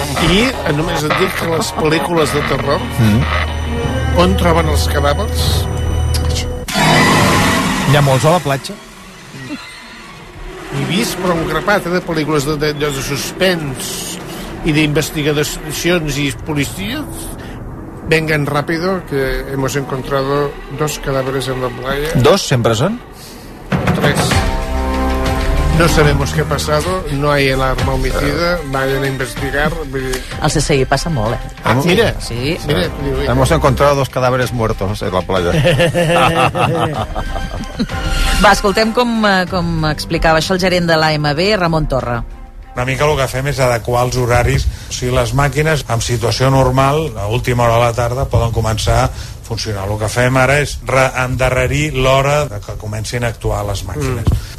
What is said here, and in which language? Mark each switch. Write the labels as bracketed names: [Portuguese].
[Catalan] I només et dic que les pel·lícules de terror... on troben els cadàvers? Hi ha molts a la platja. He vist, però un grapat de pel·lícules de suspens i d'investigacions i policies. [Spanish] Vengan rápido, que hemos encontrado dos cadáveres en la playa. [Catalan] Dos, sempre són? Tres. [Spanish] No sabemos qué ha pasado, no hay el arma homicida, vayan a investigar. [Catalan] El CSI passa molt, eh? Mira. [Spanish] Hemos encontrado dos cadáveres muertos en la playa. [Catalan] Va, escoltem com explicava això el gerent de l'AMB, Ramon Torra. Una mica el que fem és adequar els horaris. O sigui, les màquines, en situació normal, a última hora de la tarda, poden començar funcionar. El que fem ara és endarrerir l'hora que comencin a actuar les màquines. Mm.